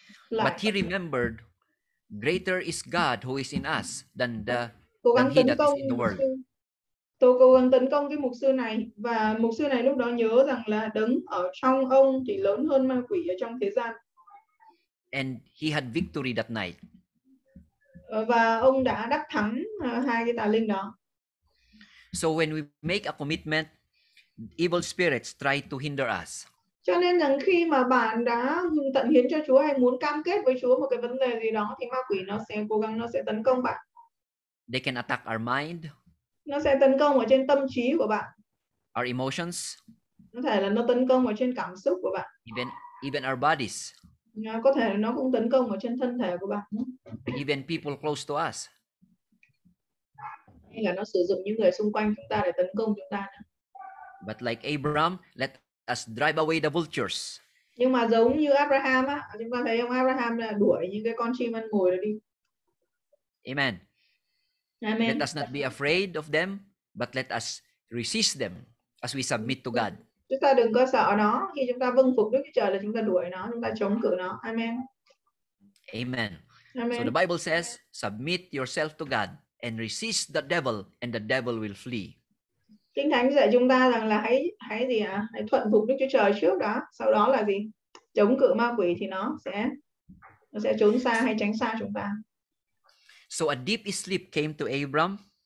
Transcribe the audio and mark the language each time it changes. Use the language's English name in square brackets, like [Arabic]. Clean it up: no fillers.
[English] But he remembered, greater is God who is in us than he that is in the world. [Vietnamese] Tôi cố gắng tấn công cái mục sư này và mục sư này lúc đó nhớ rằng là đấng ở trong ông thì lớn hơn ma quỷ ở trong thế gian. [English] And he had victory that night. [Vietnamese] Và ông đã đắc thắng hai cái tà linh đó. [English] So when we make a commitment, evil spirits try to hinder us. [Vietnamese] Cho nên rằng khi mà bạn đã tận hiến cho Chúa hay muốn cam kết với Chúa một cái vấn đề gì đó thì ma quỷ nó sẽ tấn công bạn. [English] They can attack our mind. [Vietnamese] Nó sẽ tấn công ở trên tâm trí của bạn. [English] Our emotions. [Vietnamese] Có thể là nó tấn công ở trên cảm xúc của bạn. [English] Even our bodies. [Vietnamese] Có thể là nó cũng tấn công ở trên thân thể của bạn. [English] Even people close to us. [Vietnamese] Hay là nó sử dụng những người xung quanh chúng ta để tấn công chúng ta. [English] But like Abraham, let us drive away the vultures. [Vietnamese] Nhưng mà giống như Abraham á, chúng ta thấy ông Abraham là đuổi những cái con chim ăn mồi đi. Amen. Amen. [English] Let us not be afraid of them, but let us resist them as we submit to God. [Vietnamese] Chúng ta đừng có sợ nó, khi chúng ta vâng phục Đức Chúa Trời là chúng ta đuổi nó, chúng ta chống cự nó. Amen. Amen. Amen. [English] So the Bible says, submit yourself to God and resist the devil and the devil will flee. [Vietnamese] Kinh Thánh dạy chúng ta rằng là hãy thuận phục Đức Chúa Trời trước đó, sau đó là gì? Chống cự ma quỷ thì nó sẽ trốn xa hay tránh xa chúng ta. [English] So a deep sleep came to Abram.